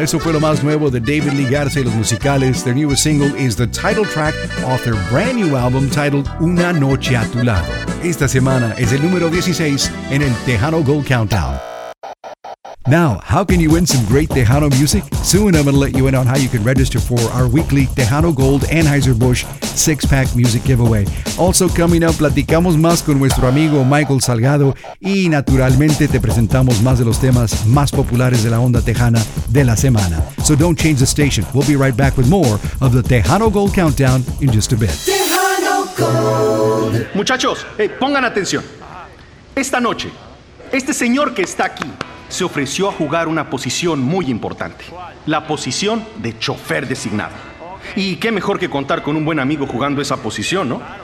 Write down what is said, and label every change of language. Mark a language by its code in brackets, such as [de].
[es] Eso fue lo más nuevo de David Lee Garza y los Musicales. [en] Their newest single is the title track off their brand new album titled Una Noche a Tu Lado. [es] Esta semana es el número 16 en el Tejano Gold Countdown. [en] Now, how can you win some great Tejano music? Soon I'm going to let you in on how you can register for our weekly Tejano Gold Anheuser-Busch six-pack music giveaway. Also coming up, [es] platicamos más con nuestro amigo Michael Salgado y naturalmente te presentamos más de los temas más populares de la onda tejana de la semana. [en] So don't change the station. We'll be right back with more of the Tejano Gold Countdown in just a bit. Tejano Gold. [es] Muchachos, hey, pongan atención. Esta noche, este señor que está aquí se ofreció a jugar una posición muy importante. La posición de chofer designado. Y qué mejor que contar con un buen amigo jugando esa posición, ¿no?